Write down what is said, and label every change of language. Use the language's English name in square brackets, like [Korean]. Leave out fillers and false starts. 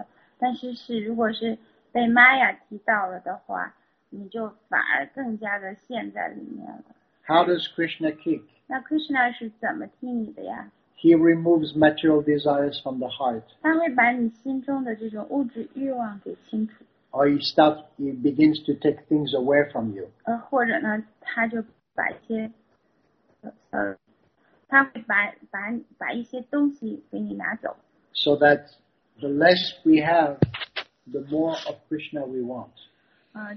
[Chinese] 那这个区别就是在于呢，就是如果你是被主踢到了，你会感觉到就是进化了。但是如果是被 Maya 踢到了的话，你就反而更加的陷在里面了。 [English] How does Krishna kick? [Chinese] 那 Krishna 是怎么听你的呀？ [English] He removes material desires from the heart. [Chinese] 他会把你心中的这种物质欲望给清除。 [English] Or he begins to take things away from you. [Chinese] 或者呢，他会把一些东西给你拿走。 [English] So that the less we have, the more of Krishna we want.